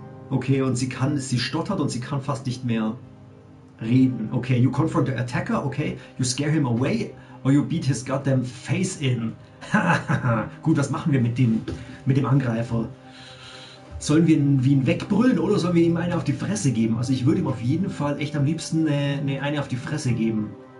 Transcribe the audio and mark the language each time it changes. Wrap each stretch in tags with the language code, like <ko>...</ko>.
<de>Okay, und sie stottert und sie kann fast nicht mehr reden.</de> <en>Okay, you confront the attacker. Okay, you scare him away or you beat his goddamn face in.</en> <de>Gut, was machen wir mit dem Angreifer? Sollen wir ihn wie ihn wegbrüllen oder sollen wir ihm eine auf die Fresse geben? Also ich würde ihm auf jeden Fall echt am liebsten eine auf die Fresse geben.</de>